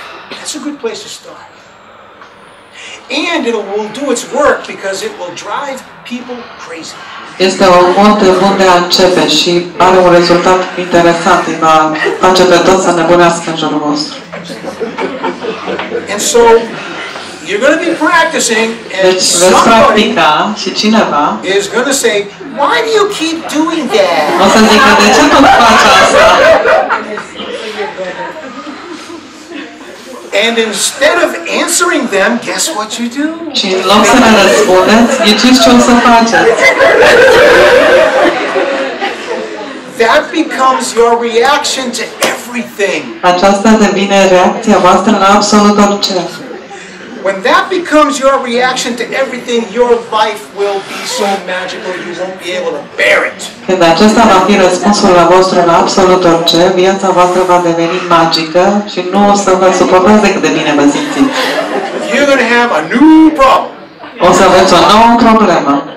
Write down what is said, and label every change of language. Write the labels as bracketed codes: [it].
[en] That's a good place to start. And it will do its work because it will drive people crazy. [ro] Este o modă bun de a începe și are un rezultat interesant. Va face pe toți să nebunească în jurul vostru. [en] And so you're going to be practicing and [ro] deci, practica, și cineva [en] is going to say, why do you keep doing that? [ro] O să zică, de ce tot faci asta? [en] And instead of answering them, guess what you do? [ro] Și în loc să ne răspundeți, ghiciți ce o să faceți. [en] That becomes your reaction to everything. [ro] Aceasta devine reacția voastră la absolut orice. [en] When that becomes your reaction to everything, your life will be so magical you won't be able to bear it. [ro] Când acesta va fi răspunsul la vostru la absolut orice, viața voastră va deveni magică și nu o să vă suporteze cât de bine vă simțiți. [en] You're going to have a new problem. [ro] O să aveți o nouă problemă.